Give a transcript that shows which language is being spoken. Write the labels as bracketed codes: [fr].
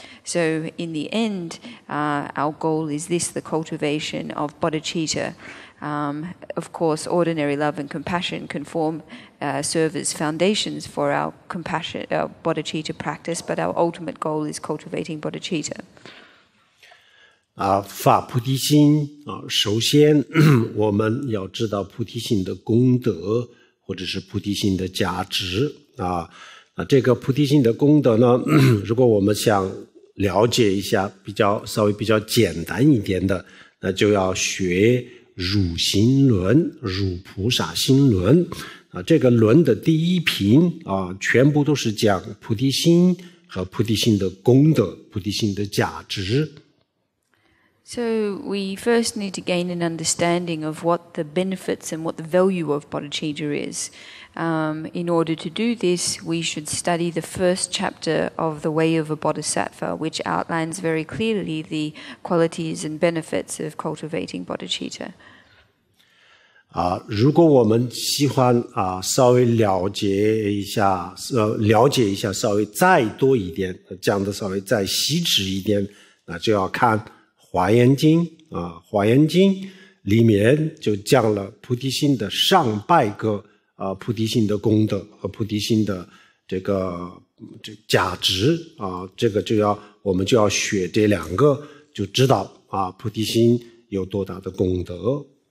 [en] So in the end, our goal is this, the cultivation of bodhicitta. Of course, ordinary love and compassion can serve as foundations for our compassion, our bodhicitta practice, but our ultimate goal is cultivating bodhicitta. [zh] 发菩提心首先我们要知道菩提心的功德或者是菩提心的价值。这个菩提心的功德呢，如果我们想了解一下稍微比较简单一点的，那就要学汝心轮，汝菩萨心轮。这个轮的第一品全部都是讲菩提心和菩提心的功德，菩提心的价值。 [en] So we first need to gain an understanding of what the benefits and what the value of bodhicitta is. In order to do this, we should study the first chapter of the Way of a Bodhisattva, which outlines very clearly the qualities and benefits of cultivating bodhicitta. [zh] 如果我们喜欢稍微了解一下，了解一下稍微再多一点，讲的稍微再细致一点，那就要看华严经华严经里面就讲了菩提心的上百个菩提心的功德和菩提心的这价值这个就要我们就要学这两个就知道菩提心有多大的功德。